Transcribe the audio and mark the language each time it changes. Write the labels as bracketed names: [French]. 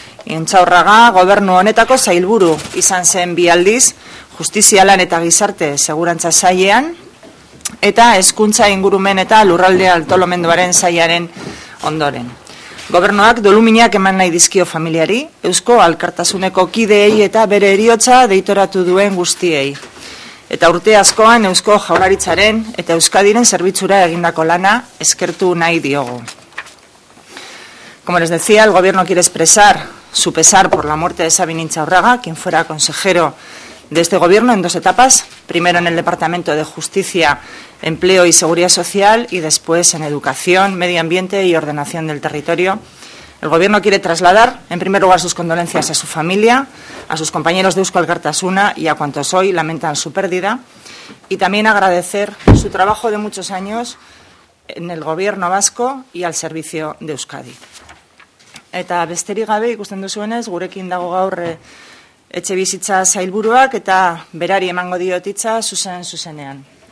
[Basque] Intxaurraga gobernu honetako sailburu izan zen bi aldiz, justizia lan eta gizarte segurantza sailean, eta hezkuntza ingurumen eta lurralde antolamenduaren sailaren ondoren. Gobernuak doluminak eman nahi dizkio familiari, Eusko Alkartasuneko kideei eta bere heriotza deitoratu duen guztiei. Eta urte askoan Eusko Jaurlaritzaren eta Euskadiren zerbitzura egindako lana eskertu nahi diogu. [Spanish] Como les decía, el gobierno quiere expresar su pesar por la muerte de Sabin Intxaurraga, quien fuera consejero de este gobierno en dos etapas, primero en el Departamento de Justicia, Empleo y Seguridad Social y después en Educación, Medio Ambiente y Ordenación del Territorio. El gobierno quiere trasladar, en primer lugar, sus condolencias a su familia, a sus compañeros de Eusko Alkartasuna y a cuantos hoy lamentan su pérdida, y también agradecer su trabajo de muchos años en el gobierno vasco y al servicio de Euskadi. [Basque] Eta besterik gabe ikusten duzuenez, gurekin dago gaur Etxebizitza sailburuak eta berari emango diot hitza zuzenean.